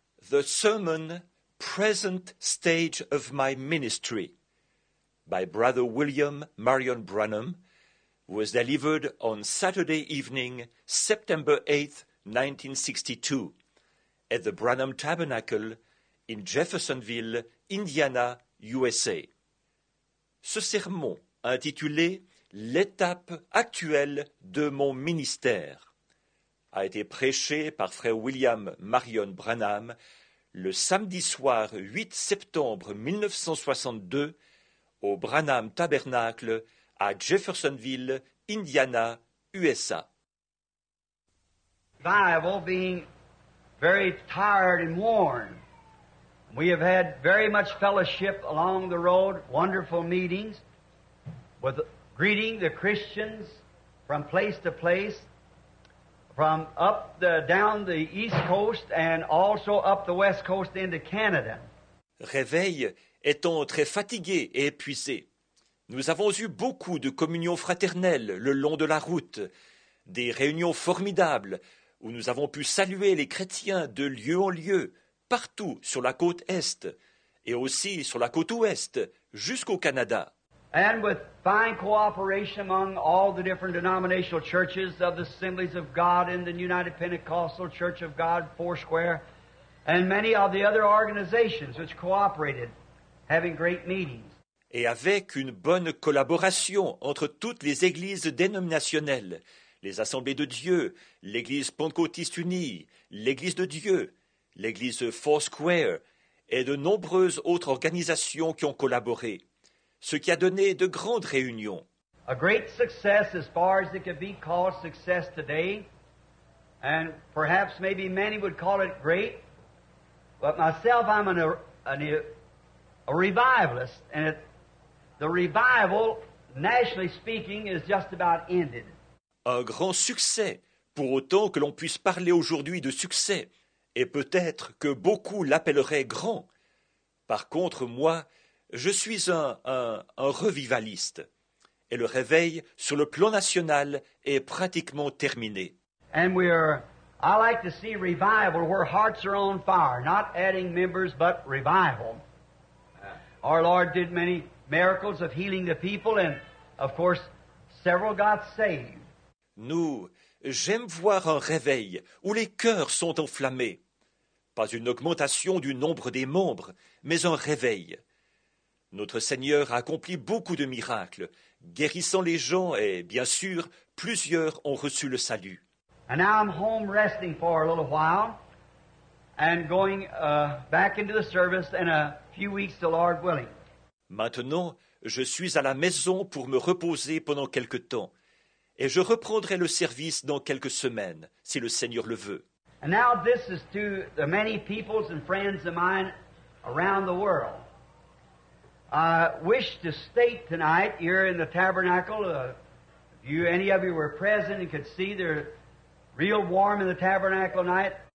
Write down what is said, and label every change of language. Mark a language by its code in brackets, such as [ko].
[en] The Sermon, Present Stage of My Ministry, by Brother William Marion Branham, was delivered on Saturday evening, September 8, 1962, at the Branham Tabernacle in Jeffersonville, Indiana, USA. [fr] Ce sermon, intitulé « L'étape actuelle de mon ministère », a été prêché par Frère William Marion Branham le samedi soir 8 septembre 1962 au Branham Tabernacle à Jeffersonville, Indiana, USA. [en] Revival being very tired and worn. We have had very much fellowship along the road, wonderful meetings, with greeting the Christians from place to place, from up the, down the east coast and also up the west coast into Canada. [fr] Réveil étant très fatigué et épuisé, nous avons eu beaucoup de communions fraternelles le long de la route, des réunions formidables où nous avons pu saluer les chrétiens de lieu en lieu, partout sur la côte est et aussi sur la côte ouest jusqu'au Canada. [en] And with fine cooperation among all the different denominational churches of the Assemblies of God and the United Pentecostal Church of God, Foursquare, and many of the other organizations which cooperated, having great meetings. [fr] Et avec une bonne collaboration entre toutes les églises dénominationnelles, les Assemblées de Dieu, l'Église Pentecôtiste Unie, l'Église de Dieu, l'Église Foursquare, et de nombreuses autres organisations qui ont collaboré. Ce qui a donné de grandes réunions. [en] A great success as far as it could be called success today, and perhaps maybe many would call it great, but myself, I'm a revivalist, and the revival, nationally speaking, is just about ended. [fr] Un grand succès, pour autant que l'on puisse parler aujourd'hui de succès, et peut-être que beaucoup l'appelleraient grand. Par contre, moi, je suis un revivaliste, et le réveil sur le plan national est pratiquement terminé. [en] And we are, I like to see revival where hearts are on fire, not adding members, but revival. Our Lord did many miracles of healing the people, and of course, several got saved. [fr] Nous, j'aime voir un réveil où les cœurs sont enflammés. Pas une augmentation du nombre des membres, mais un réveil. Notre Seigneur a accompli beaucoup de miracles, guérissant les gens et, bien sûr, plusieurs ont reçu le salut. [en] And now I'm home resting for a little while and going back into the service in a few weeks, the Lord willing. [fr] Maintenant, je suis à la maison pour me reposer pendant quelque temps et je reprendrai le service dans quelques semaines, si le Seigneur le veut. [en] And now this is to the many peoples and friends of mine around the world. I wish to state tonight here in the tabernacle, if any of you were present and could see, they're real warm in the tabernacle tonight.